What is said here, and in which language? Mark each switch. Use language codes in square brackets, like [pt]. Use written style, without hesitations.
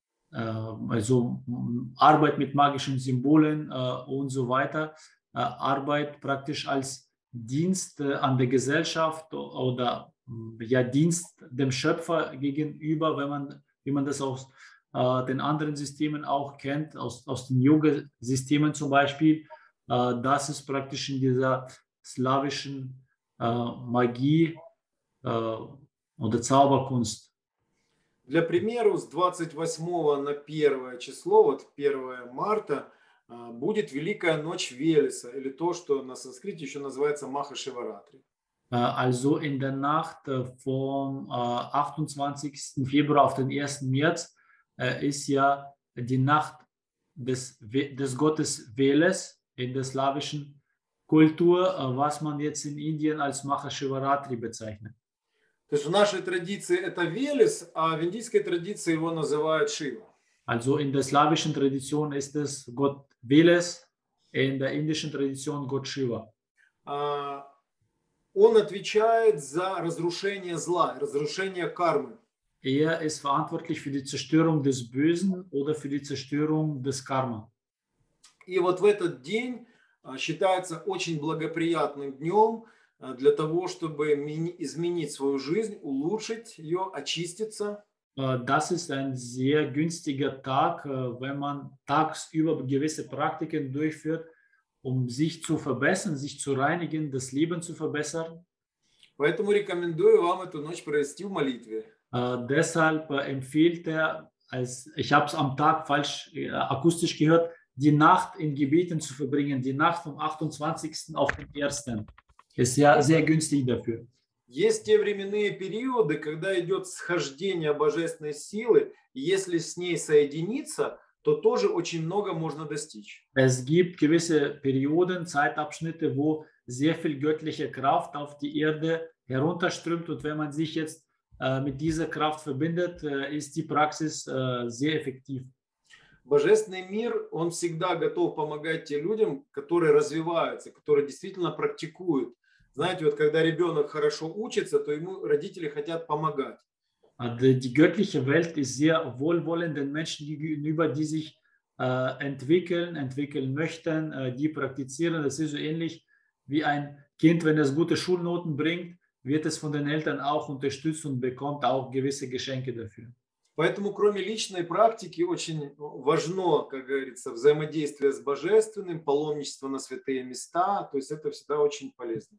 [de] also Arbeit mit magischen Symbolen und so weiter, Arbeit praktisch als Dienst an der Gesellschaft oder ja, Dienst dem Schöpfer gegenüber, wenn man, wie man das auch den anderen Systemen auch kennt, aus den Yoga-Systemen zum Beispiel, das ist praktisch in dieser slawischen Magie oder Zauberkunst. [ru] Для примеру, с 28 на 1 число, вот 1 марта, будет Великая Ночь Велеса, или то, что на санскрите еще называется Маха-Шиваратри. [de] Also in der Nacht vom 28. Februar auf den 1. März ist ja die Nacht des Gottes Veles in der slawischen Kultur, was man jetzt in Indien als Mahashivaratri bezeichnet. [ru] То есть в нашей традиции это Велес, а в индийской традиции его называют Шива. [de] Also in der slawischen Tradition ist es Gott Veles, in der indischen Tradition Gott Shiva. [ru] Он отвечает за разрушение зла, разрушение кармы. [de] Er ist verantwortlich für die Zerstörung des Bösen oder für die Zerstörung des Karma. [ru] И вот в этот день считается очень благоприятным днем для того, чтобы изменить свою жизнь, улучшить ее, очиститься. [de] Das ist ein sehr günstiger Tag, wenn man tagsüber gewisse Praktiken durchführt, um sich zu verbessern, sich zu reinigen, das Leben zu verbessern. [ru] Поэтому рекомендую вам эту ночь провести в молитве. [de] Deshalb empfiehlt er, als ich habe es am Tag falsch akustisch gehört, die Nacht in Gebeten zu verbringen, die Nacht vom 28. auf den 1. ist ja sehr günstig dafür. [ru] Есть те временные периоды, когда идет схождение божественной силы, и если с ней соединиться, то тоже очень много можно достичь. [de] Es gibt gewisse Perioden, Zeitabschnitte, wo sehr viel göttliche Kraft auf die Erde herunterströmt und wenn man sich jetzt mit dieser Kraft verbindet, ist die Praxis sehr effektiv. [ru] Божественный мир, он всегда готов помогать тем людям, которые развиваются, которые действительно практикуют. Знаете, вот когда ребенок хорошо учится, то ему родители хотят помогать. [de] Die göttliche Welt ist sehr wohlwollend den Menschen gegenüber, die sich entwickeln möchten, die praktizieren. Das ist so ähnlich wie ein Kind, wenn es gute Schulnoten bringt, wird es von den Eltern auch unterstützt und bekommt auch gewisse Geschenke dafür. [ru] Поэтому кроме личной практики очень важно, как говорится, взаимодействие с божественным, паломничество на святые места, то есть это всегда очень полезно.